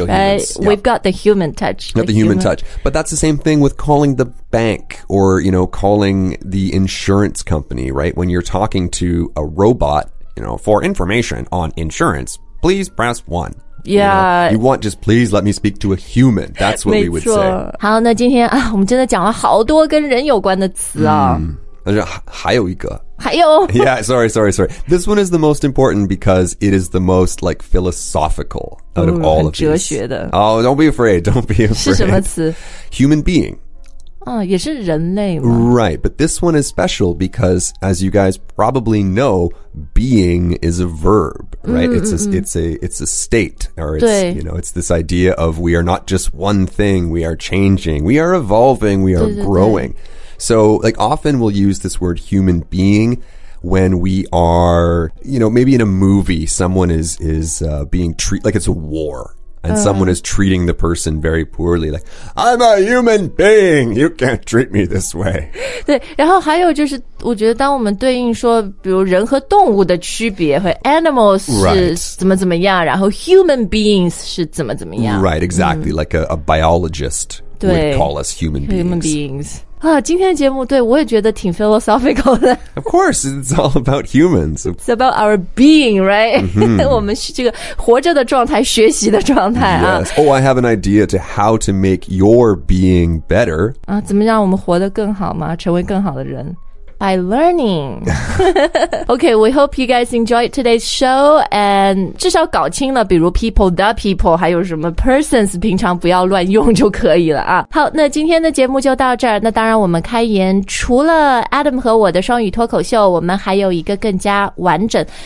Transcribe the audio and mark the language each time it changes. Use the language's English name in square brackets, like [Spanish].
[English] We've got the human touch not the human touch but that's the same thing with callingthe bank or you know calling the insurance company right when you're talking to a robot you know for information on insurance please press one yeah you, know, you want just please let me speak to a human that's what we would say [Chinese] 好那今天啊我们真的讲了好多跟人有关的词啊、还有一个还有 [English] yeah sorry this one is the most important because it is the most like philosophical out of all of these don't be afraid [Chinese] 是什么词 [English] human being [Chinese] Ye 是人类嘛 [English] Right, but this one is special because, as you guys probably know, being is a verb, right? It's a state, or it's, you know, it's this idea of we are not just one thing, we are changing, we are evolving, we are growing. So, like, often we'll use this word human being when we are, you know, maybe in a movie, someone is being treated like it's a war. And someone is treating the person very poorly, like, I'm a human being, you can't treat me this way. [Chinese] 对，然后还有就是，我觉得当我们对应说，比如人和动物的区别，和 animals 是怎么怎么样，然后 human beings 是怎么怎么样。 [English] Right, exactly, like a biologist would call us human beings. [Chinese] 今天的节目对我也觉得挺 philosophical 的 [English] Of course, it's all about humans It's about our being, right?、Mm-hmm. [Chinese] 我们是这个活着的状态学习的状态、 [English] Yes, oh, I have an idea to how to make your being better [Chinese] 怎么让我们活得更好吗成为更好的人 [English] By learning Okay, we hope you guys enjoyed today's show And [Chinese] 至少搞清了比如 people, the people 还有什么 persons 平常不要乱用就可以了好那今天的节目就到这儿那当然我们开言除了 Adam 和我的双语脱口秀我们还有一个更加完整